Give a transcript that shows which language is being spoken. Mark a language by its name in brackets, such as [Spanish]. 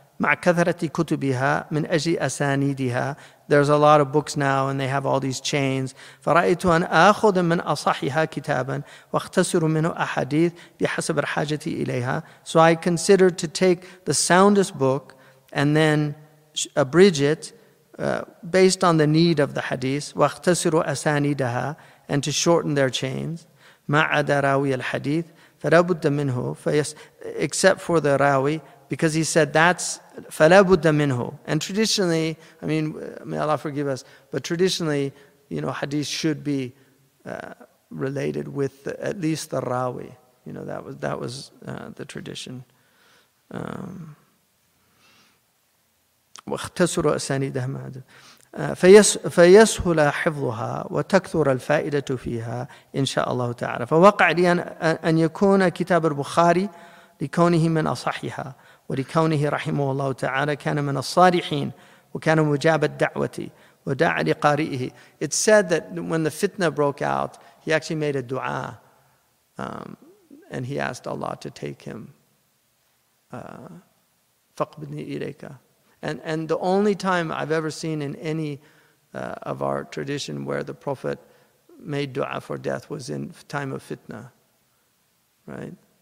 [Arabic] مع كثرتي كتبها من أجل أسانيدها. [English] There's a lot of books now and they have all these chains. [Arabic] فرأيت أن أخذ من أصحها كتابا واختصر منه أحاديث بحسب حاجتي إليها. [English] So I considered to take the soundest book and then abridge it based on the need of the hadith [Arabic] واختصر أسانيدها [English] and to shorten their chains. [Arabic] ما عدا راوي الحديث فلا بد منه [English] except for the rawi, because he said that's [Arabic] فلا بد منه. [English] And traditionally, I mean, may Allah forgive us, but traditionally, you know, hadith should be related with at least the rawi. You know, that was the tradition. [Arabic] واختصر أسانيده ما عدا فيسهل حفظها وتكثر الفائدة فيها إن شاء الله تعالى. فوقع لي أن يكون كتاب البخاري لكونه من أصحها ولكونه رحمه الله تعالى كان من الصالحين وكان مجاب الدعوة ودعا لقارئه. [English] It said that when the fitna broke out, he actually made a dua and he asked Allah to take him. [Arabic] فقبني إليك. [English] And the only time I've ever seen in any of our tradition where the Prophet made dua for death was in time of fitna, right?